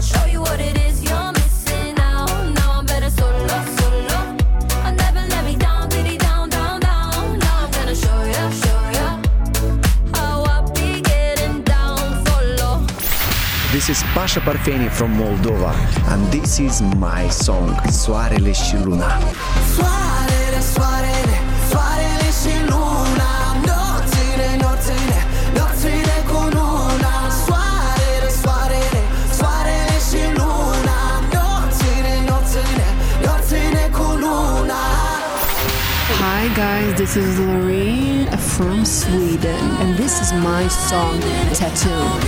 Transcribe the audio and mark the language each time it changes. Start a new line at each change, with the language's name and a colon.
English: Show you what it is you're missing out. Now I'm better solo, solo. I never let me down, diddy down, down, down. Now I'm better show ya, show ya. How I be getting down, solo. This is Pasha Parfeny from Moldova. And this is my song, Soarele și Luna.
Romanian: Soarele, soarele, soarele și luna. Nopțile, nopțile, nopțile cu luna. Soarele, soarele, soarele și luna. Nopțile, nopțile, nopțile cu luna.
English: Hi guys, this is Loreen from Sweden. And this is my song, Tattoo.